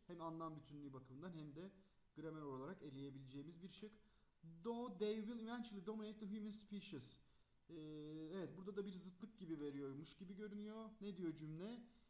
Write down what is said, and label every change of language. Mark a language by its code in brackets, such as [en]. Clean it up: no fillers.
[tr] Hem anlam bütünlüğü bakımından hem de gramer olarak eleyebileceğimiz bir şık. [en] Though they will eventually dominate the human species. [tr] Evet, burada da bir zıtlık gibi veriyormuş gibi görünüyor. Ne diyor cümle?